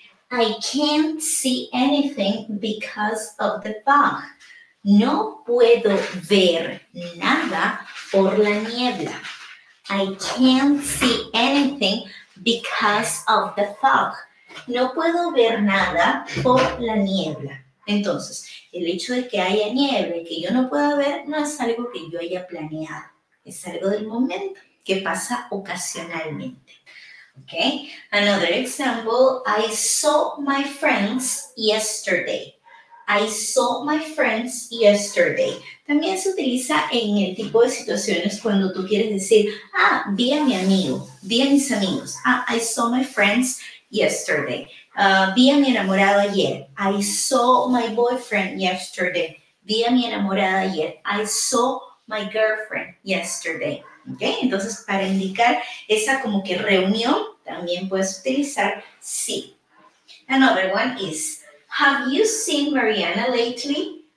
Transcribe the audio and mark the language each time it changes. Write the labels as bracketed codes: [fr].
[en] I can't see anything because of the fog. [es] No puedo ver nada por la niebla. [en] I can't see anything because of the fog. [es] No puedo ver nada por la niebla. Entonces, el hecho de que haya nieve y que yo no pueda ver no es algo que yo haya planeado. Es algo del momento que pasa ocasionalmente. Okay? [en] Another example, I saw my friends yesterday. I saw my friends yesterday. [es] También se utiliza en el tipo de situaciones cuando tú quieres decir, ah, vi a mi amigo, vi a mis amigos. [en] Ah, I saw my friends yesterday. [es] Vi a mi enamorado ayer. [en] I saw my boyfriend yesterday. [es] Vi a mi enamorada ayer. [en] I saw my girlfriend yesterday. ¿Okay? [es] Entonces, para indicar esa como que reunión, también puedes utilizar sí. [en] Another one is, have you seen Mariana lately?